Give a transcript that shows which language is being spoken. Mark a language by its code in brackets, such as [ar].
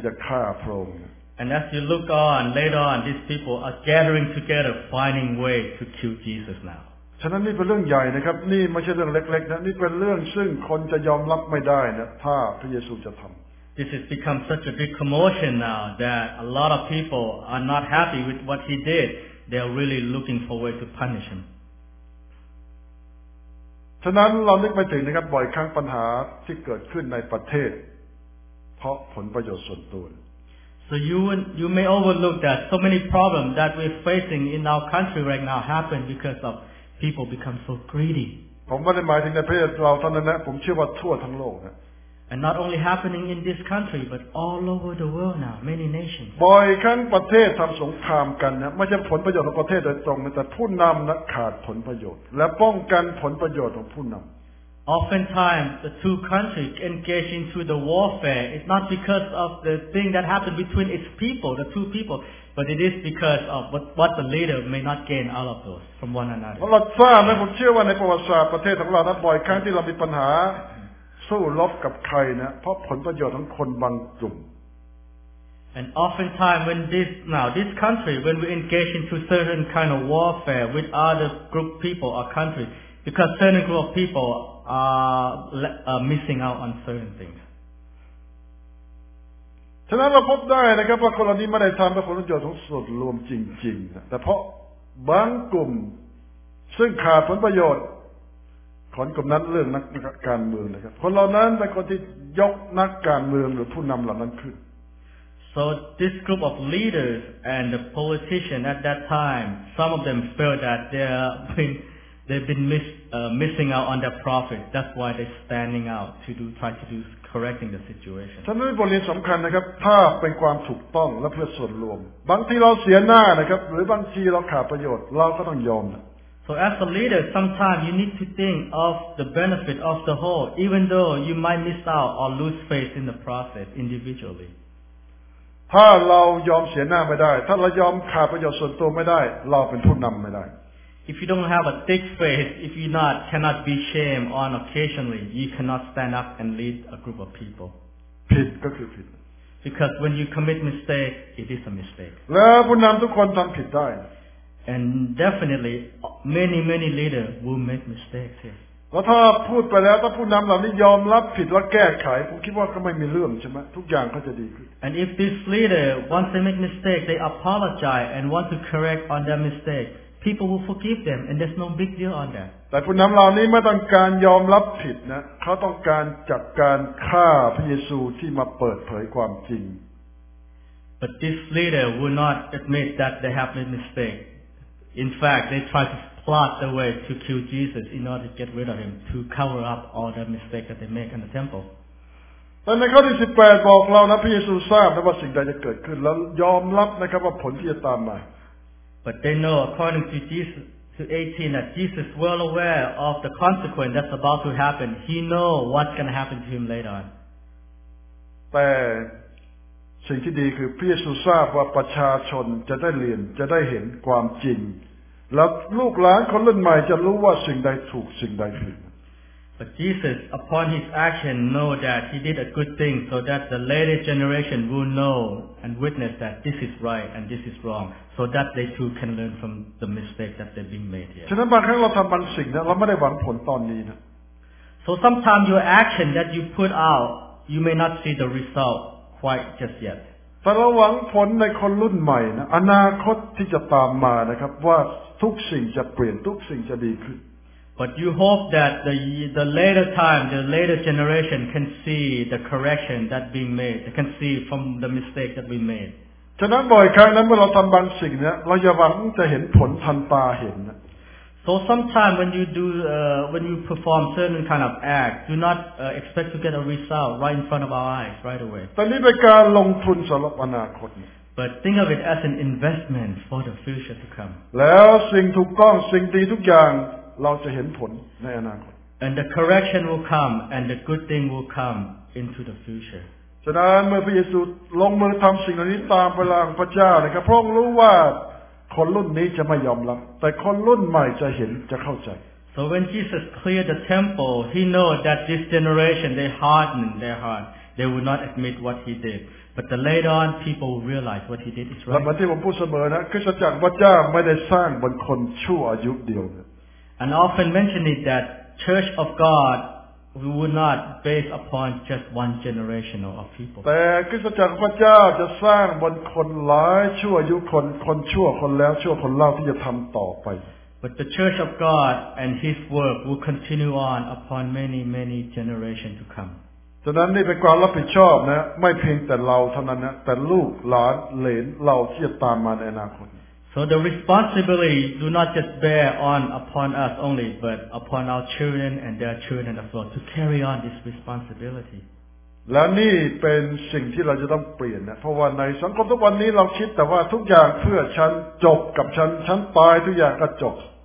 [en] And as you look on, later on, these people are gathering together, finding ways to kill Jesus now. [th] ฉะนั้นนี่เป็นเรื่องใหญ่นะครับนี่ไม่ใช่เรื่องเล็กๆนะนี่เป็นเรื่องซึ่งคนจะยอมรับไม่ได้นะถ้าพระเยซูจะทำ [en] This has become such a big commotion now that a lot of people are not happy with what he did. They are really looking for a way to punish him. [th] ฉะนั้นเรานึกไปถึงนะครับบ่อยครั้งปัญหาที่เกิดขึ้นในประเทศเพราะผลประโยชน์ส่วนตัว [en] So you may overlook that so many problems that we're facing in our country right now happen because of people become so greedy. [th] ผมไม่ได้หมายถึงในประเทศเราเท่านั้นนะผมเชื่อว่าทั่วทั้งโลกนะ [en] And not only happening in this country, but all over the world now, many nations. [th] บ่อยครั้งประเทศทำสงครามกันนะไม่ใช่ผลประโยชน์ของประเทศโดยตรงแต่ผู้นำนะขาดผลประโยชน์และป้องกันผลประโยชน์ของผู้นำ [en] Oftentimes, the two countries engage into the warfare. It's not because of the thing that happened between its people, the two people, but it is because of what the leader may not gain out of those from one another. [th] เราทราบไหมผมเชื่อว่าในประวัติศาสตร์ประเทศของเรานะบ่อยครั้งที่เรามีปัญหาสู้รบกับใครนะเพราะผลประโยชน์ของคนบางกลุ่ม [en] And oftentimes when this now this country when we engage into certain kind of warfare with other group people or country because certain group of people are missing out on certain things [th] ฉะนั้นเราพบได้นะครับว่าคนเหล่านี้ไม่ได้ทำเพื่อผลประโยชน์ของส่วนรวมจริงๆแต่เพราะบางกลุ่มซึ่งขาดผลประโยชน์คนกลุ่มนั้นเรื่องนักการเมืองนะครับคนเหล่านั้นเป็นคนที่ยกนักการเมืองหรือผู้นำเหล่านั้นขึ้น [en] So this group of leaders and the politician at that time some of them feel that they've been missing out on their profit that's why they're standing out to do try to do correcting the situation [th] ฉะนั้นบทเรียนสำคัญนะครับถ้าเป็นความถูกต้องและเพื่อส่วนรวมบางทีเราเสียหน้านะครับหรือบางทีเราขาดประโยชน์เราก็ต้องยอม [en] So as a leader, sometimes you need to think of the benefit of the whole, even though you might miss out or lose faith in the process individually. [th] ถ้าเรายอมเสียหน้าไม่ได้ถ้าเรายอมขาดประโยชน์ส่วนตัวไม่ได้เราเป็นผู้นำไม่ได้ [en] If you don't have a thick faith, if you not cannot be shamed on occasionally, you cannot stand up and lead a group of people. [th] ผิดก็คือผิด [en] Because when you commit mistake, it is a mistake. [th] แล้วผู้นำทุกคนทำผิดได้ [en] And definitely, many leaders will make mistakes here. [th] พราะถ้าพูดไปแล้วถ้าผู้นำเหล่านี้ยอมรับผิดและแก้ไขผมคิดว่าก็ไม่มีเรื่องใช่ไหมทุกอย่างก็จะดีขึ้น [en] And if this leader once they make mistake they apologize and want to correct on their mistake people will forgive them and there's no big deal on that [th] แต่ผู้นำเหล่านี้ไม่ต้องการยอมรับผิดนะเขาต้องการจัดการฆ่าพระเยซูที่มาเปิดเผยความจริง [en] But this leader will not admit that they have made mistake. In fact, they try to plot the way to kill Jesus in order to get rid of him, to cover up all the mistakes that they make in the temple. But in verse 18, it tells us that Jesus knew what would happen and accepted the result that would come. But they know, according to Jesus, to 18, that Jesus is well aware of the consequence that's about to happen. He knows what's going to happen to him later on. But... [th] สิ่งที่ดีคือพระเยซูทราบว่าประชาชนจะได้เรียนจะได้เห็นความจริงแล้วลูกหลานคนรุ่นใหม่จะรู้ว่าสิ่งใดถูกสิ่งใดผิด [en] But Jesus upon his action know that he did a good thing so that the later generation will know and witness that this is right and this is wrong so that they too can learn from the mistake that they've been made here [th] ฉะนั้นบางครั้งเราทำบางสิ่งนะเราไม่ได้หวังผลตอนนี้นะ [en] So sometimes your action that you put out you may not see the resultQuite just yet. [th] แต่เราหวังผลในคนรุ่นใหม่นะอนาคตที่จะตามมานะครับว่าทุกสิ่งจะเปลี่ยนทุกสิ่งจะดีขึ้น [en] But you hope that the later time, the later generation can see the correction that being made. They can see from the mistake that we made. [th] ฉะนั้นบ่อยครั้งนั้นเมื่อเราทำบางสิ่งเนี่ยเราจะหวังจะเห็นผลทันตาเห็นนะ [en] So sometimes when you do when you perform certain kind of act do not expect to get a result right in front of our eyes right away. [th] ตอนนี้เป็นการลงทุนสำหรับอนาคต [en] But think of it as an investment for the future to come. [th] แล้วสิ่งถูกต้องสิ่งดีทุกอย่างเราจะเห็นผลในอนาคต [en] And the correction will come and the good thing will come into the future. [th] ฉะนั้นเมื่อพระเยซูลงมือทำสิ่งเหล่านี้ตามพระลางพระเจ้านะครับพระองค์รู้ว่าคนรุ่นนี้จะไม่ยอมรับแต่คนรุ่นใหม่จะเห็นจะเข้าใจ [en] So when Jesus cleared the temple he knew that this generation they hardened their heart they would not admit what he did but the later on people realize what he did is right [th] แล้วมาที่ผมพูดเสมอนะคริสตจักรพระเจ้าไม่ได้สร้างบนคนชั่วอายุเดียว [en] And often mention it that church of God we would not base upon just one generation of people [th] แต่คริสตจักรพระเจ้าจะสร้างบนคนหลายชั่วอายุคนชั่วคนแล้วชั่วคนเล่าที่จะทําต่อไป [en] But the church of God and his work will continue on upon many many generation to come [th] ฉะนั้นนี่เป็นความรับผิดชอบนะไม่เพียงแต่เราเท่านั้นนะแต่ลูกหลานเหลนเราที่จะตามมาในอนาคต [en] So the responsibility do not just bear on upon us only, but upon our children and their children as well to carry on this responsibility. [th] และนี่เป็นสิ่งที่เราจะต้องเปลี่ยนนะเพราะว่าในสังคมทุกวันนี้เราคิดแต่ว่าทุกอย่างเพื่อฉันจบกับฉันตายทุกอย่างก็จบ